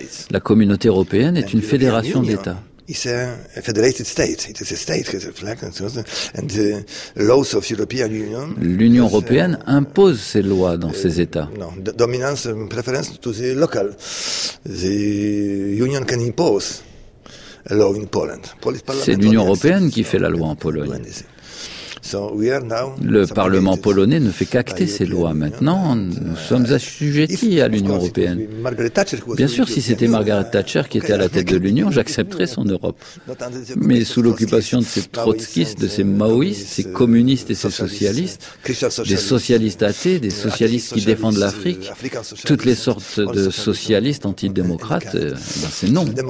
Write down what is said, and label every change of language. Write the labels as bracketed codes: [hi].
[fr] La communauté européenne est une fédération d'États. [en] It's a federated state. It is a state, has a flag, and the laws of European Union. [fr] L'Union européenne impose ses lois dans ses États. [en] No, dominance and preference to the local. The Union can impose a law in Poland. [fr] C'est l'Union européenne qui fait la loi en Pologne. [en] So we are now. [fr] Le Parlement polonais ne fait qu'acter ses lois. Maintenant, nous sommes assujettis à l'Union européenne. Bien sûr, si c'était Margaret Thatcher qui était à la tête de l'Union, j'accepterais son Europe. Mais sous l'occupation de ces trotskistes, de ces maoïstes, ces communistes et ces socialistes, des socialistes athées, des socialistes qui défendent l'Afrique, toutes les sortes de socialistes antidémocrates, ben c'est non.